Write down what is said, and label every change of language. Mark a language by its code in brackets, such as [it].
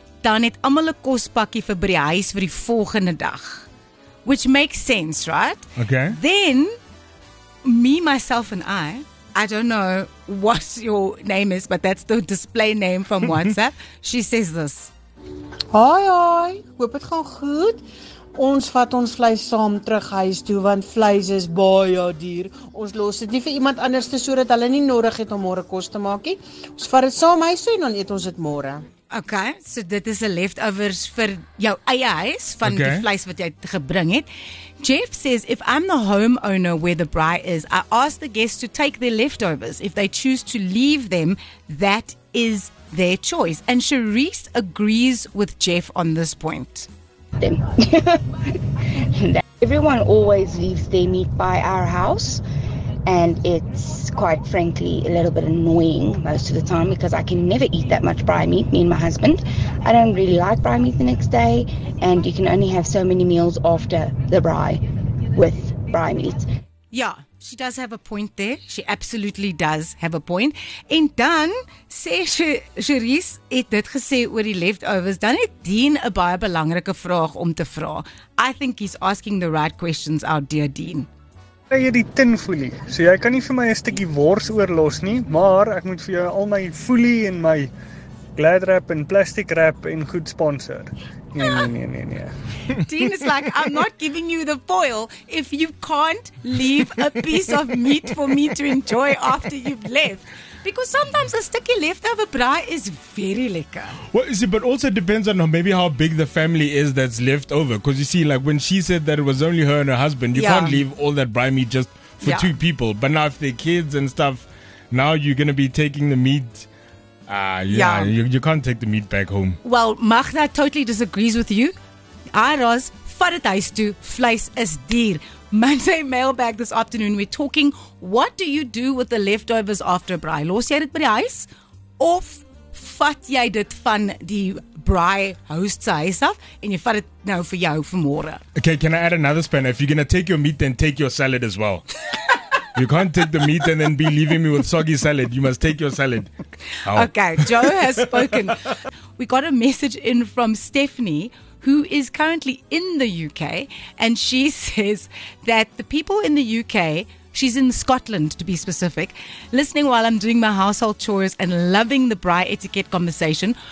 [af] Dan het almal 'n kospakkie vir by die huis vir die volgende dag. [en] Which makes sense, right? Okay. Then, me, myself and I don't know what your name is, but that's the display name from WhatsApp. She says this. [af] Hi, hi. Hoop het gaan goed. Ons vat ons vleis saam terug huis toe, want vleis is baie duur. Ons los dit nie vir iemand anders te, so dat hulle nie nodig het om môre kos te maak nie. Ons vat dit saam huis toe en dan eet ons dit môre. Okay, so dit is 'n leftovers vir jou eie huis van okay. Die vleis wat jy gebring het. [en] Jeff says, if I'm the homeowner where the braai is, I ask the guests to take their leftovers. If they choose to leave them, that is their choice. And Charisse agrees with Jeff on this point. Everyone always leaves their meat by our house. And it's quite frankly a little bit annoying most of the time because I can never eat that much braai meat, me and my husband. I don't really like braai meat the next day, and you can only have so many meals after the braai with braai meat. Yeah, she does have a point there. She absolutely does have a point. [af] En dan sê Charisse het dit gesê oor die leftovers, dan het Dean 'n baie belangrike vraag om te vra. [en] I think he's asking the right questions, our dear Dean. [af] Jy het die tinfoelie, so jy kan nie vir my 'n stukkie wors oorlos nie, maar ek moet vir jou al my foelie en my glad wrap en plastic wrap en goed sponsor. Nee. [en] Dean is like, I'm not giving you the foil if you can't leave a piece of meat for me to enjoy after you've left. Because sometimes a sticky leftover braai is very lekker. Well, you see, but also depends on maybe how big the family is that's left over. Because you see, like when she said that it was only her and her husband, you can't leave all that braai meat just for 2 people. But now if they're kids and stuff, now you're going to be taking the meat You can't take the meat back home. Well, Magda totally disagrees with you. [af] Aros, vat dit huis toe, vleis is duur. [en] Monday mailbag this afternoon, we're talking, what do you do with the leftovers after braai? [af] Los jy dit by die huis? Of vat jy dit van die braai host se huis af en jy vat dit nou vir jou vir môre? [en] Okay, can I add another spanner? If you're going to take your meat, then take your salad as well. You can't take the meat and then be leaving me with soggy salad. You must take your salad. Ow. Okay, Joe has spoken. We got a message in from Stephanie, who is currently in the UK, and she says that the people in the UK, she's in Scotland to be specific, listening while I'm doing my household chores and loving the braai etiquette conversation.